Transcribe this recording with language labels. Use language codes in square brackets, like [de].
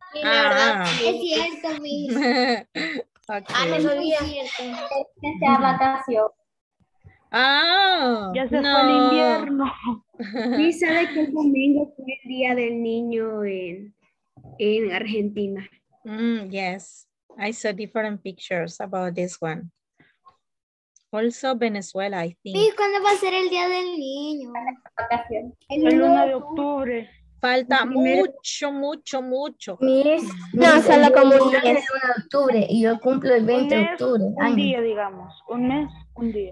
[es] sí, la verdad, es cierto, Miss. Okay. Ah, me olvidé. Es que sea vacación. Ah, ya se fue el invierno. domingo. Sí, sabe que el domingo fue el día del niño en Argentina. [en] Yes, I saw different pictures about this one. Also Venezuela, I think. [es] ¿Y cuándo va a ser el día del niño? El 1 de octubre. Falta mucho, mucho, mucho. Miren, no, solo como un día es 1 de octubre y yo cumplo el 20 de octubre. Un año. Día, digamos. Un mes, un día.